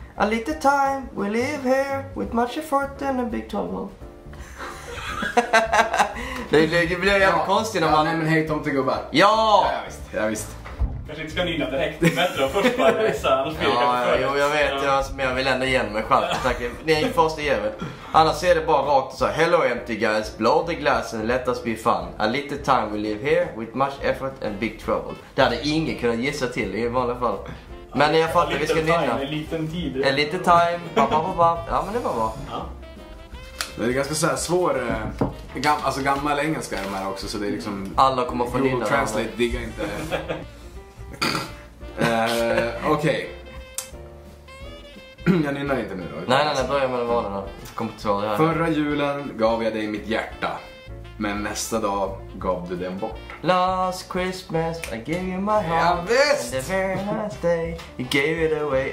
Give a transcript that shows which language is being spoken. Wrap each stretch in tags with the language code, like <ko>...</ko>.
<en>A little time, we live here with much effort and a big trouble.</en> <sv>Det blir jävligt konstigt när man... Ja, men hej tomte gubbar. Ja! Ja, visst. Kanske inte ska nynna direkt, det är bättre att först bara läsa. Jag vet, men jag vill ändå igen mig själv. Tack, ni är ju först i jävligt. Annars är det bara rakt och så här,</sv> <en>hello empty guys, blow the glass and let us be fun. A little time we live here with much effort and big trouble.</en> <sv>Det hade ingen kunnat gissa till i vanliga fall. Men jag fattar att vi ska nynna. En liten time. Ja, men det var bra. Ja. Det är ganska så här svår... alltså gammal engelska är de här också, så det är liksom... Alla kommer att få nynna. Google Translate diggar inte. Okej. Okay. Jag nynnar inte nu då. Nej, börja med vanen då. Kom på här. Förra julen gav jag dig mitt hjärta. Men nästa dag gav du den bort.</sv> <en>Last Christmas I gave you my heart.</en> <sv>Ja, visst!</sv> <en>And the very last day you gave it away.</en>